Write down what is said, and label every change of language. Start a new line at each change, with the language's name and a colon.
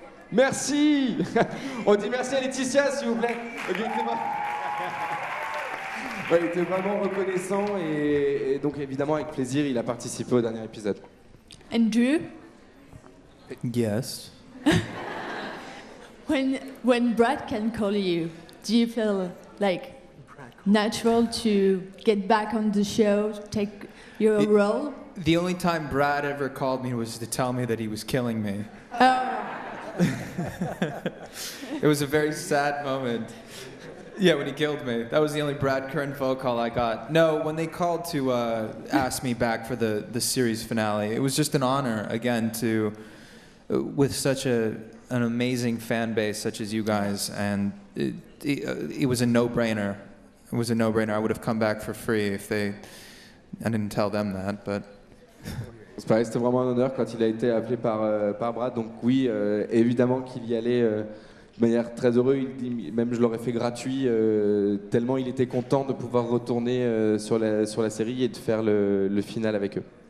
French: Merci. On dit merci à Laetitia, s'il vous plaît. Okay, c'est bon. Ouais, il était vraiment reconnaissant et donc évidemment avec plaisir, il a participé au dernier épisode.
English: And Drew? Yes. When Brad can call you, do you feel like natural to get back on the show, take your role? The only time Brad ever called me was to tell me that he was killing me. Oh. It was a very sad moment. Yeah, when he killed me. That was the only Brad Kern phone call I got. No, when they called to ask me back for the series finale, it was just an honor, again, to, with such an amazing fan base such as you guys, and it was a no-brainer. It was a no-brainer. I would have come back for free if they, I didn't tell them that, but.
French: C'est pareil, c'était vraiment un honneur quand il a été appelé par Brad. Donc oui, évidemment qu'il y allait de manière très heureuse. Il dit même je l'aurais fait gratuit, tellement il était content de pouvoir retourner sur la série et de faire le final avec eux.